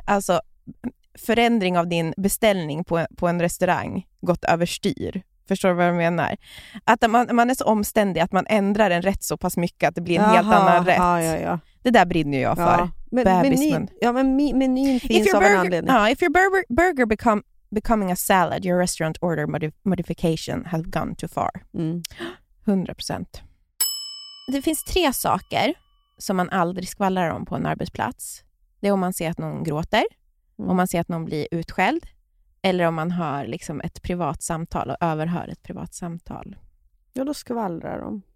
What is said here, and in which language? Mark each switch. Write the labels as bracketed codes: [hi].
[sv] Alltså, förändring av din beställning på en restaurang gått överstyr. Förstår vad jag menar? Att man är så omständig att man ändrar en rätt så pass mycket att det blir en helt annan rätt. Ja. Det där brinner jag för. Menyn finns av en anledning. [en] If your burger becoming a salad, your restaurant order modification has gone too far. Mm. [sv] 100%. Det finns 3 saker som man aldrig skvallrar om på en arbetsplats. Det är om man ser att någon gråter. Mm. Om man ser att någon blir utskälld. Eller om man hör liksom ett privat samtal och överhör ett privat samtal. Ja, då skvallrar de.